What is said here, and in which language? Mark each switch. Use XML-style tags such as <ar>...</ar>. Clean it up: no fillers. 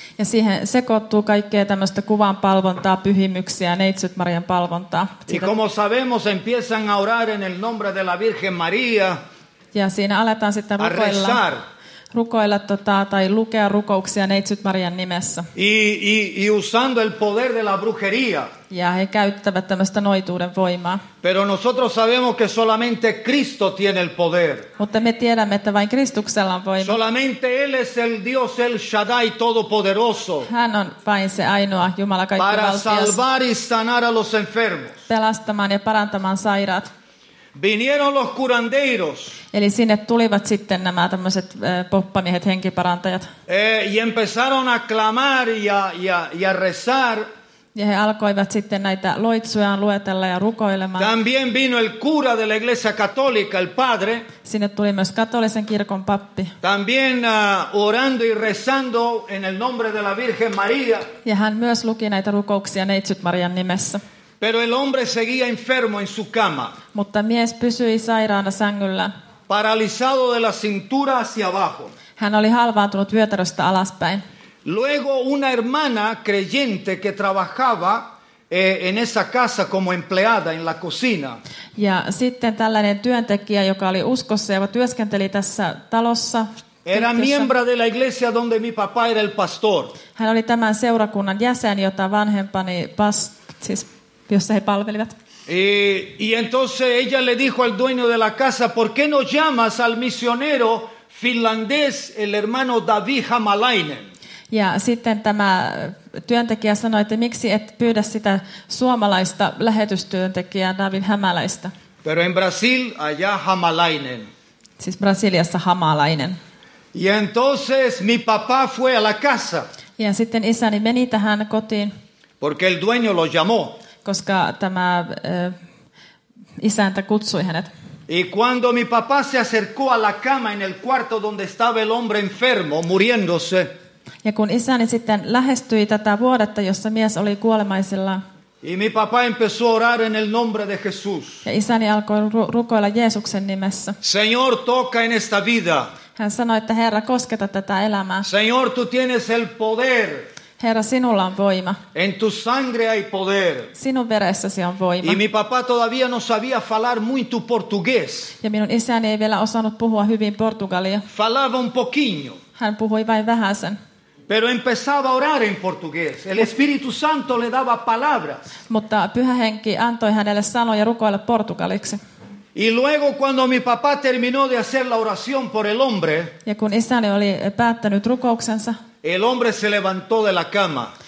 <fi>Ja siihen sekoittuu kaikkea tämmöistä kuvan palvontaa, pyhimyksiä, Neitsyt Marian palvontaa.</fi> <es>Y como sabemos, empiezan a orar en el nombre de la Virgen María.</es> <fi>Ja siinä aletaan sitten rukoilla tai lukea rukouksia Neitsyt Marian nimessä.</fi> <es>Y usando el poder de la brujería.</es> <fi>Ja he käyttävät tämmöistä noituuden voimaa.</fi> <es>Pero nosotros sabemos que solamente Cristo tiene el poder.</es> <fi>Mutta me tiedämme, että vain Kristuksella on voima.</fi> <es>Solamente él es el Dios el Shaddai todopoderoso.</es> <fi>Hän on vain se ainoa Jumala kaikkivaltias.</fi> <es>Para salvar y sanar a los enfermos.</es> <fi>Pelastamaan ja parantamaan sairaat.</fi> <es>Vinieron los curanderos.</es> <fi>Eli sinne tulivat sitten nämä tämmöiset poppamiehet, henkiparantajat.</fi> <es>Y empezaron a clamar y a rezar.</es> <fi>Ja he alkoivat sitten näitä loitsujaan luetella ja rukoilemaan.</fi> <es>También vino el cura de la iglesia católica, el padre.</es> <fi>Sinne tuli myös katolisen kirkon pappi.</fi> <es>También orando y rezando en el nombre de la Virgen María.</es> <fi>Ja hän myös luki näitä rukouksia Neitsyt Marian nimessä.</fi> <es>Pero el hombre seguía enfermo en su cama.</es> <fi>Mutta mies pysyi sairaana sängyllä.</fi> <es>Paralizado de la cintura hacia abajo.</es> <fi>Hän oli halvaantunut vyötäröstä alaspäin.</fi> <es>Luego una hermana creyente que trabajaba en esa casa como empleada en la cocina.</es> <fi>Ja sitten tällainen työntekijä, joka oli uskossa ja työskenteli tässä talossa.</fi> <es>Era miembro de la iglesia donde mi papá era el pastor.</es> <fi>Hän oli tämän seurakunnan jäsen, jota vanhempani jossa he palvelivat.</fi> <es>Y entonces ella le dijo al dueño de la casa, ¿por qué no llamas al misionero finlandés, el hermano David Hamalainen?</es> <fi>Ja sitten tämä työntekijä sanoi, että miksi et pyydä sitä suomalaista lähetystyöntekijää David Hämäläistä.</fi> <es>Pero en Brasil allá Hamalainen.</es> <fi>Siis Brasiliassa Hamalainen.</fi> <es>Y entonces mi papá fue a la casa.</es> <fi>Ja sitten isäni meni tähän kotiin.</fi> <es>Porque el dueño lo llamó.</es> <fi>Koska tämä isäntä kutsui hänet.</fi> <es>Y cuando mi papá se acercó a la cama en el cuarto donde estaba el hombre enfermo muriéndose.</es> <fi>Ja kun isäni sitten lähestyi tätä vuodetta, jossa mies oli kuolemaisilla.</fi> <es>Y mi papá empezó a orar en el nombre de Jesús.</es> <fi>Ja isäni alkoi rukoilla Jeesuksen nimessä.</fi> <es>Señor, toca en esta vida.</es> <fi>Hän sanoi, että Herra, kosketa tätä elämää.</fi> <es>Señor, tú tienes el poder.</es> <fi>Herra, sinulla on voima.</fi> <es>En tu sangre hay poder.</es> <fi>Sinun veressäsi on voima.</fi> <es>Y mi papá todavía no sabía hablar mucho portugués.</es> <fi>Ja minun isäni ei vielä osannut puhua hyvin portugalia.</fi> <es>Falaba un poquinho.</es> <fi>Hän puhui vain vähäsen.</fi> <es>Pero empezaba a orar en portugués. El Espíritu Santo le daba palabras.</es> <fi>Mutta Pyhä Henki antoi hänelle sanoja rukoilla portugaliksi.</fi> <es>Y luego cuando mi papá terminó de hacer la oración por el hombre,</es> <fi>ja kun isäni oli päättänyt rukouksensa,</fi> <es>el hombre se levantó de la cama.</es>